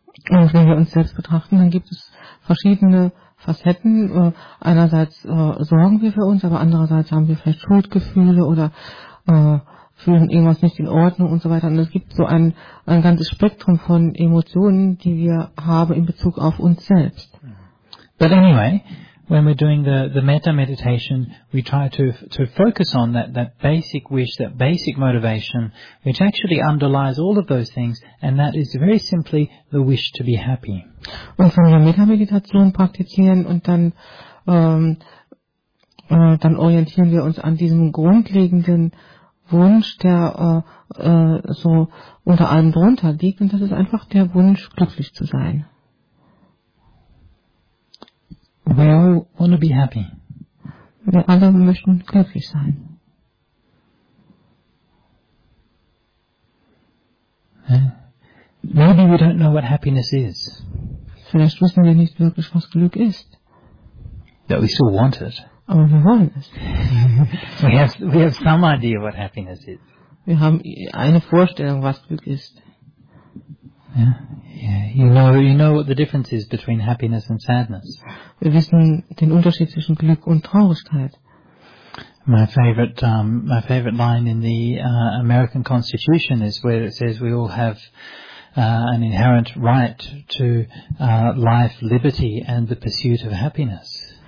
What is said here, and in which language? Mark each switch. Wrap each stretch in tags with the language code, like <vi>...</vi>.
<de>Und wenn wir uns selbst betrachten, dann gibt es verschiedene Facetten. Einerseits sorgen wir für uns, aber andererseits haben wir vielleicht Schuldgefühle oder fühlen irgendwas nicht in Ordnung und so weiter. Und es gibt so ein ganzes Spektrum von Emotionen, die wir haben in Bezug auf uns selbst.</de> <en>But anyway, when we're doing the metta meditation, we try to focus on that basic wish, that basic motivation, which actually underlies all of those things, and that is very simply the wish to be happy.</en> <de>Und wenn wir metta meditation praktizieren und dann orientieren wir uns an diesem grundlegenden Wunsch, der so unter allem drunter liegt, und das ist einfach der Wunsch, glücklich zu sein.</de> <en>We all want to be happy.</en> <de>Wir alle möchten glücklich sein.</de> <en>Yeah. Maybe we don't know what happiness is.</en> <de>Vielleicht wissen wir nicht wirklich, was Glück ist.</de> <en>But we still want it.</en> <de>Aber wir wollen es.</de> <en>we have some idea what happiness is.</en> <de>Wir haben eine Vorstellung, was Glück ist.</de> <en>Yeah, you know what the difference is between happiness and sadness.</en> <de>Wir wissen den Unterschied zwischen Glück und Traurigkeit.</de> <en>My favorite line in the American Constitution is where it says we all have an inherent right to life, liberty and the pursuit of happiness.</en>